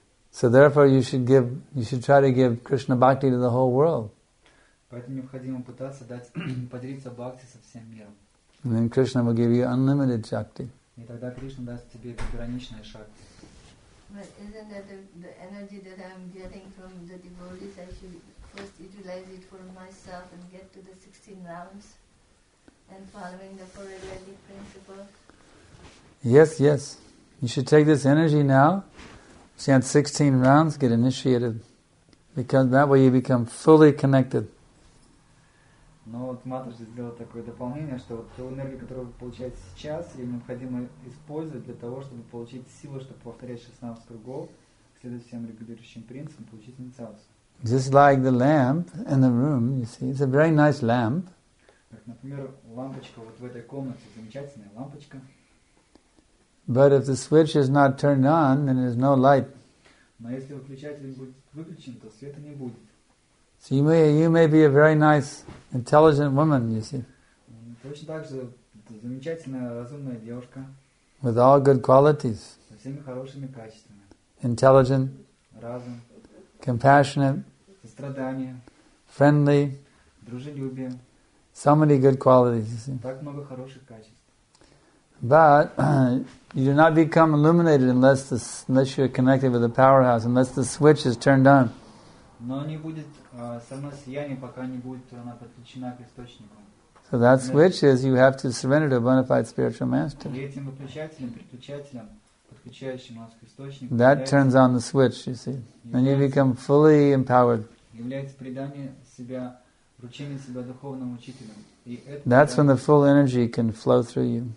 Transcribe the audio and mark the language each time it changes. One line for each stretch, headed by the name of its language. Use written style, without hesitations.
English: So therefore you should try to give Krishna bhakti to the whole world.
Russian: Поэтому необходимо пытаться дать поделиться бхакти со всем миром.
English: And then Krishna will give you unlimited shakti.
Russian: И тогда Кришна даст тебе безграничное шакти.
English: But isn't that the energy that I'm getting from the devotees, I should first utilize it for myself and get to the 16 realms and following the Parayali principle? Yes, yes. You should take this energy now. Chant 16 rounds, get initiated. Because that way you become fully connected.
Russian: Но вот Матаджи сделал такое дополнение, что вот ту энергию, которую вы получаете сейчас, ее необходимо использовать для того, чтобы получить силу, чтобы повторять 16 кругов, следовать всем регулирующим принципам, получить инициацию.
English: Just like the lamp in the room, you see, it's a very nice lamp.
Russian: Как, например, лампочка вот в этой комнате, замечательная лампочка.
English: But if the switch is not turned on, then there's no light.
Russian: Но если выключатель будет выключен, то света не будет.
English: So you may be a very nice, intelligent woman, you see.
Russian: Точно так же замечательная, разумная девушка.
English: With all good qualities.
Russian: Со всеми хорошими качествами.
English: Intelligent.
Russian: Разум.
English: Compassionate.
Russian: Сострадание.
English: Friendly.
Russian: Дружелюбие.
English: So many good qualities, you see.
Russian: Так много хороших качеств.
English: But you do not become illuminated unless you are connected with the powerhouse, unless the switch is turned on.
Russian: Но не будет само сияние, пока не будет она подключена к источнику.
English: So that switch is you have to surrender to a bona fide spiritual master.
Russian: И этим выключателем, подключающим нас к источнику.
English: That turns on the switch, you see. Then you become fully empowered.
Russian: Является предание себя, вручение себя духовному учителю.
English: That's when the full energy can flow through you.